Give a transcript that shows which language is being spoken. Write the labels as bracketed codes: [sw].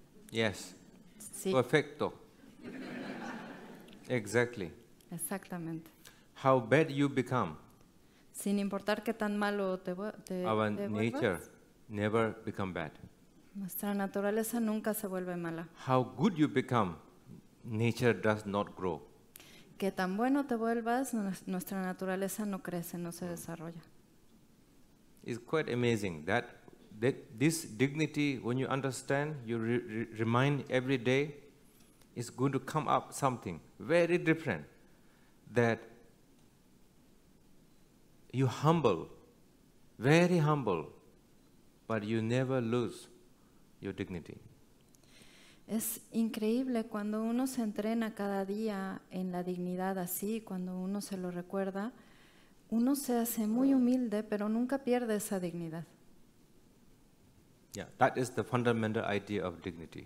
[en] Yes. [es] Sí. Perfecto. [en] Exactly. [es] Exactamente. [en] How bad you become. [es] Sin importar qué tan malo te vuelvas. [en] Our nature never become bad. [es] Nuestra naturaleza nunca se vuelve mala. [en] How good you become, nature does not grow. [es] Que tan bueno te vuelvas, nuestra naturaleza no crece, no se desarrolla. [en] It's quite amazing that this dignity, when you understand, you remind every day, is going to come up something very different. That you humble, very humble, but you never lose your dignity. [es] Es increíble cuando uno se entrena cada día en la dignidad así, cuando uno se lo recuerda, uno se hace muy humilde, pero nunca pierde esa dignidad. [en] Yeah, that is the fundamental idea of dignity.